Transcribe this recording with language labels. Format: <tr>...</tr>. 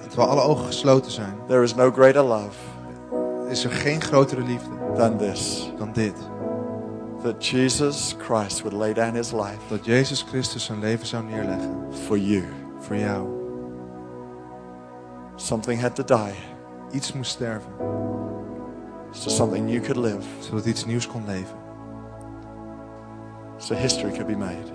<nl>Terwijl alle ogen gesloten zijn.</nl> <en>There is no greater love.</en> <nl>Is er geen grotere liefde</nl> <en>than this,</en> <nl>dan dit.</nl> <en>That Jesus Christ would lay down his life.</en> <nl>Dat Jezus Christus zijn leven zou neerleggen.</nl> <en>For you.</en> <nl>Voor jou.</nl> <en>Something had to die.</en> <nl>Iets moest sterven.</nl> <en>So something new could live.</en> <nl>Zodat iets nieuws kon leven.</nl> <en>So history could be made.</en>